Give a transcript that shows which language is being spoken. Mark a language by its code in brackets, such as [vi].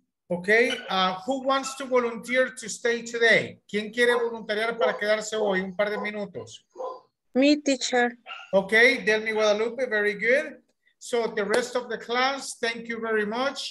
[en] Okay, who wants to volunteer to stay today? [es] ¿Quién quiere voluntariar para quedarse hoy un par de minutos? [en] Me, teacher. Okay, Delmi Guadalupe, very good. So the rest of the class, thank you very much.